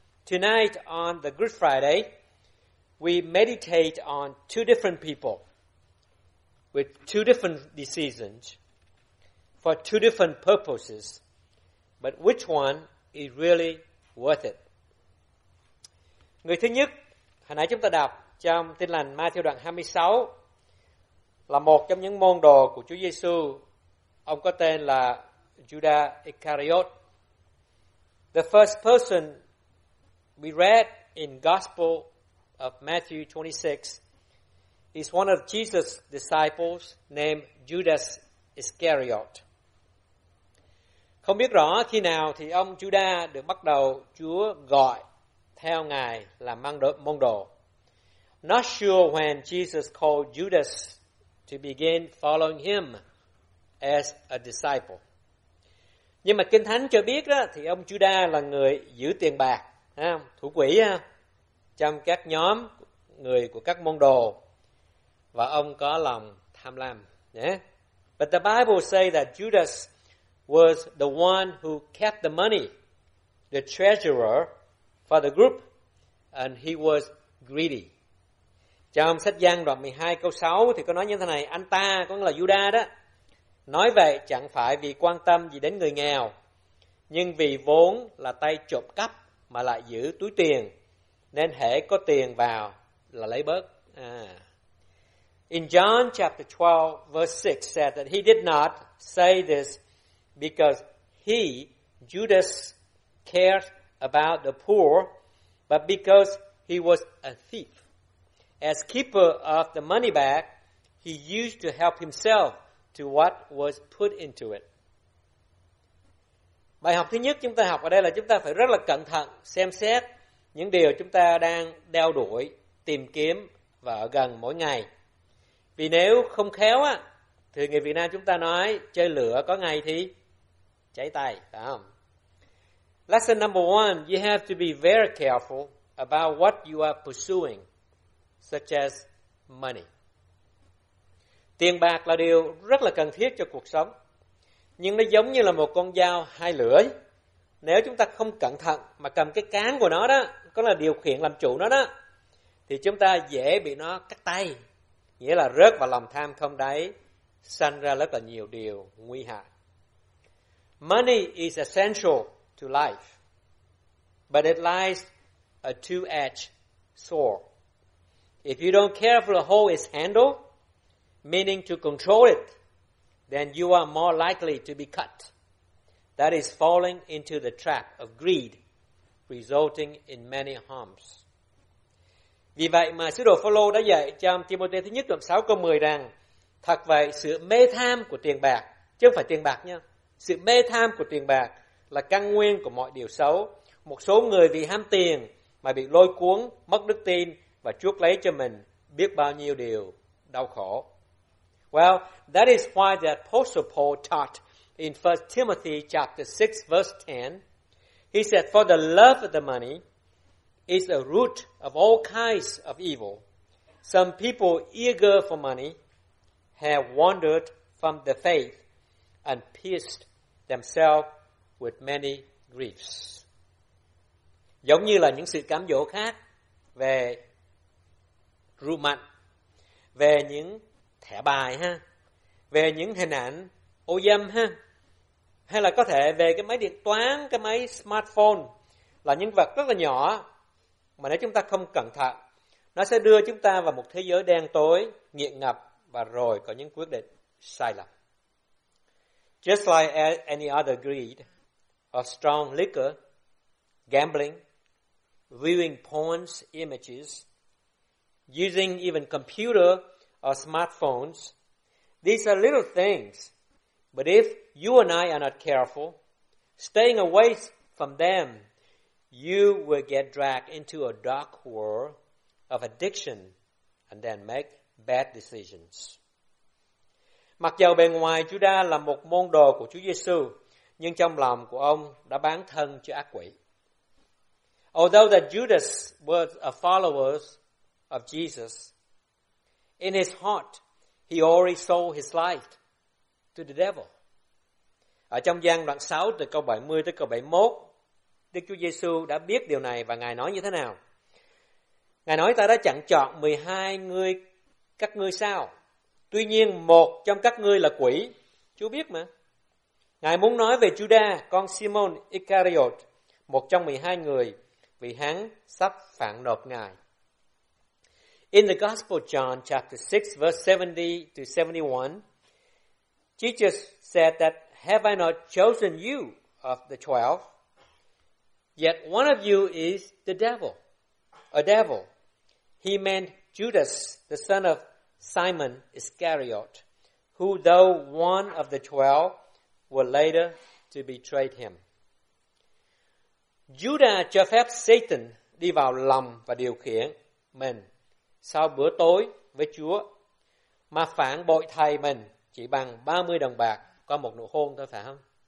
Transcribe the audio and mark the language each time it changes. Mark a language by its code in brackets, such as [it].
[en] Tonight on the Good Friday, we meditate on two different people with two different decisions for two different purposes, but which one is really worth it? [vi] Người thứ nhất, hồi nãy chúng ta đọc trong Tin Lành Ma-thiêu đoạn 26, là một trong những môn đồ của Chúa Giê-xu. Ông có tên là Judas Iscariot. [en] The first person we read in Gospel of Matthew 26 is one of Jesus' disciples named Judas Iscariot. [vi] Không biết rõ khi nào thì ông Judas được bắt đầu Chúa gọi theo Ngài làm môn đồ. [en] Not sure when Jesus called Judas to begin following him as a disciple. [vi] Nhưng mà Kinh Thánh cho biết đó, thì ông Judas là người giữ tiền bạc, thủ quỹ trong các nhóm người của các môn đồ, và ông có lòng tham lam. [en] Yeah. But the Bible say that Judas was the one who kept the money, the treasurer for the group, and he was greedy. [vi] Trong sách Giăng đoạn 12 câu 6 thì có nói như thế này, anh ta, có nghĩa là Judas đó, nói vậy chẳng phải vì quan tâm gì đến người nghèo, nhưng vì vốn là tay trộm cắp mà lại giữ túi tiền, nên hễ có tiền vào là lấy bớt. [en] In John chapter 12 verse 6 said that he did not say this because he, Judas, cared about the poor, but because he was a thief. As keeper of the money bag, he used to help himself to what was put into it. [vi] Bài học thứ nhất chúng ta học ở đây là chúng ta phải rất là cẩn thận xem xét những điều chúng ta đang đeo đuổi, tìm kiếm và ở gần mỗi ngày. Vì nếu không khéo á, thì người Việt Nam chúng ta nói chơi lửa có ngày thì cháy tay, phải không? [en] Lesson number one, you have to be very careful about what you are pursuing, such as money. [vi] Tiền bạc là điều rất là cần thiết cho cuộc sống, nhưng nó giống như là một con dao hai lưỡi. Nếu chúng ta không cẩn thận mà cầm cái cán của nó đó, có là điều khiển làm chủ nó đó, thì chúng ta dễ bị nó cắt tay, nghĩa là rớt vào lòng tham không đáy, sanh ra rất là nhiều điều nguy hại. [en] Money is essential to life, but it lies a two-edged sword. If you don't carefully hold its handle, meaning to control it, then you are more likely to be cut. That is falling into the trap of greed, resulting in many harms. [vi] Vì vậy mà sứ đồ Phaolô đã dạy trong Timôthê thứ nhất đoạn 6 câu 10 rằng, thật vậy, sự mê tham của tiền bạc, chứ không phải tiền bạc nha, sự mê tham của tiền bạc là căn nguyên của mọi điều xấu. Một số người vì ham tiền mà bị lôi cuốn, mất đức tin và chuốc lấy cho mình biết bao nhiêu điều đau khổ. [en] Well, that is why the Apostle Paul taught in 1 Timothy chapter 6 verse 10. He said, for the love of the money is the root of all kinds of evil. Some people eager for money have wandered from the faith and pierced themselves with many griefs. [vi] Giống như là những sự cám dỗ khác về rượu mạnh, về những thẻ bài ha, về những hình ảnh ô dâm ha, hay là có thể về cái máy điện toán, cái máy smartphone, là những vật rất là nhỏ mà nếu chúng ta không cẩn thận nó sẽ đưa chúng ta vào một thế giới đen tối, nghiện ngập và rồi có những quyết định sai lầm. [en] Just like any other greed or strong liquor, gambling, viewing porn images, using even computer or smartphones, these are little things, but if you and I are not careful, staying away from them, you will get dragged into a dark world of addiction and then make bad decisions. [vi] Mặc dầu bề ngoài Giuđa là một môn đồ của Chúa Giê-xu, nhưng trong lòng của ông đã bán thân cho ác quỷ. [en] Although that Judas was a follower of Jesus, in his heart, he already sold his life to the devil. [vi] Ở trong Giăng đoạn 6 từ câu 70 tới câu 71, Đức Chúa Giê-xu đã biết điều này và Ngài nói như thế nào? Ngài nói ta đã chẳng chọn 12 người các ngươi sao? Tuy nhiên một trong các ngươi là quỷ. Chúa biết mà. Ngài muốn nói về Giuđa, con Simon Iscariot, một trong 12 người, vì hắn sắp phản nộp Ngài. [en] In the Gospel John chapter 6 verse 70 to 71, Jesus said that, "Have I not chosen you of the 12? Yet one of you is the devil." A devil. He meant Judas, the son of Simon Iscariot, who, though one of the 12, were later to betray him. [vi] Judas cho phép Satan đi vào lòng và điều khiển mình sau bữa tối với Chúa, mà phản bội thầy mình chỉ bằng 30 đồng bạc qua một nụ hôn thôi, phải không?